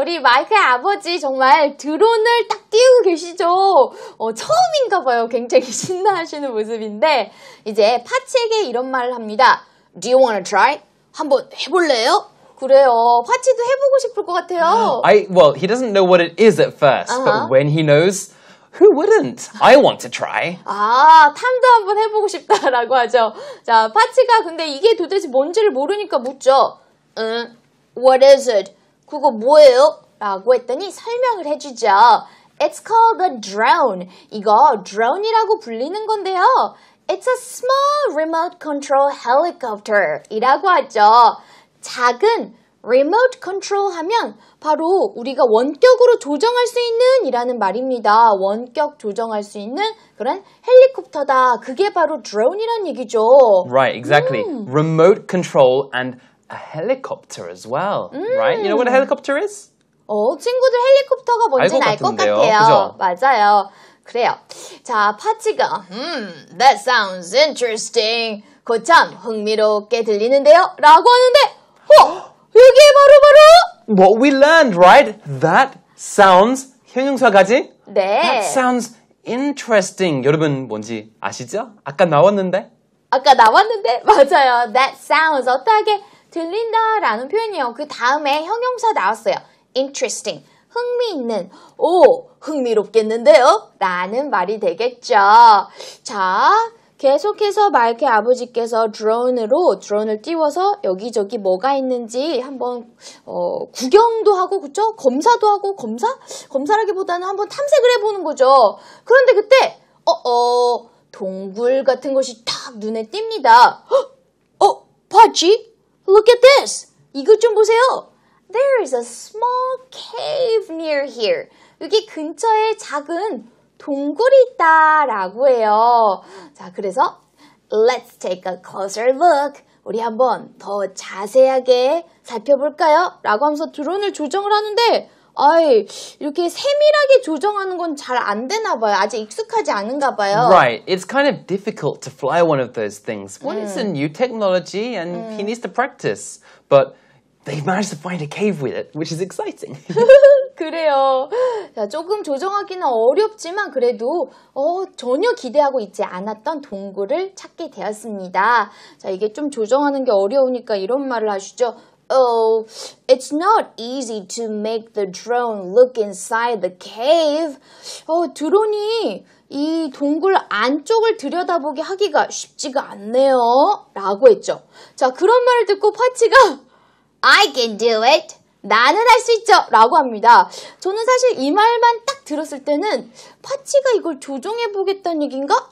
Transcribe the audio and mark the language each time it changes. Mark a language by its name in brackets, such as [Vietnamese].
[Korean] 우리 마이크의 아버지 정말 드론을 딱 띄우고 계시죠? 처음인가 봐요. 굉장히 신나하시는 모습인데 이제 파치에게 이런 말을 합니다. [English] Do you wanna try? [Korean] 한번 해볼래요? 그래요. 파치도 해보고 싶을 것 같아요. [English] Well, he doesn't know what it is at first, uh-huh. but when he knows, who wouldn't? I want to try. [Korean] 아, 탐도 한번 해보고 싶다라고 하죠. 자, 파치가 근데 이게 도대체 뭔지를 모르니까 묻죠. [English] What is it? [Korean] 그거 뭐예요? 라고 했더니 설명을 해주죠. [English] It's called a drone. [Korean] 이거 drone이라고 불리는 건데요. [English] It's a small remote control helicopter [Korean] 이라고 하죠. 작은 remote control 하면 바로 우리가 원격으로 조정할 수 있는 이라는 말입니다. 원격 조정할 수 있는 그런 헬리콥터다. 그게 바로 drone이란 얘기죠. [English] Right, exactly. Remote control and a helicopter as well, right? You know what a helicopter is? [Korean] 친구들 헬리콥터가 뭔지 알 것 같아요. 그죠? 맞아요. 그래요. 자, 파치가 [English] that sounds interesting. [Korean] 거참 흥미롭게 들리는데요. 라고 하는데 여기 바로 [English] what we learned, right? That sounds [Korean] 형용사까지? 네. [English] That sounds interesting. [Korean] 여러분 뭔지 아시죠? 아까 나왔는데? 아까 나왔는데? 맞아요. [English] That sounds [Korean] 어떻게 들린다 라는 표현이요. 그 다음에 형용사 나왔어요. Interesting. 흥미있는. 오, 흥미롭겠는데요? 라는 말이 되겠죠. 자, 계속해서 마이크 아버지께서 드론을 띄워서 여기저기 뭐가 있는지 한번 구경도 하고, 그쵸? 검사도 하고, 검사? 검사라기보다는 한번 탐색을 해보는 거죠. 그런데 그때, 동굴 같은 것이 딱 눈에 띕니다. 봤지? [English] Look at this! [Korean] 이것 좀 보세요. [English] There is a small cave near here. [Korean] 여기 근처에 작은 동굴이 있다라고 해요. 자, 그래서 [English] Let's take a closer look. [Korean] 우리 한번 더 자세하게 살펴볼까요? 라고 하면서 드론을 조정을 하는데 이렇게 세밀하게 조정하는 건 잘 안 되나 봐요. 아직 익숙하지 않은가 봐요. [English] Right. It's kind of difficult to fly one of those things. Well, it's a new technology and he needs to practice. But they managed to find a cave with it, which is exciting. [Korean] 그래요. 자, 조금 조정하기는 어렵지만 그래도 전혀 기대하고 있지 않았던 동굴을 찾게 되었습니다. 자, 이게 좀 조정하는 게 어려우니까 이런 말을 하시죠. [English] It's not easy to make the drone look inside the cave. [Korean] 드론이 이 동굴 안쪽을 들여다보게 하기가 쉽지가 않네요. 라고 했죠. 자, 그런 말을 듣고 파치가 [English] I can do it. [Korean] 나는 할 수 있죠. 라고 합니다. 저는 사실 이 말만 딱 들었을 때는 파치가 이걸 조종해보겠다는 얘긴가?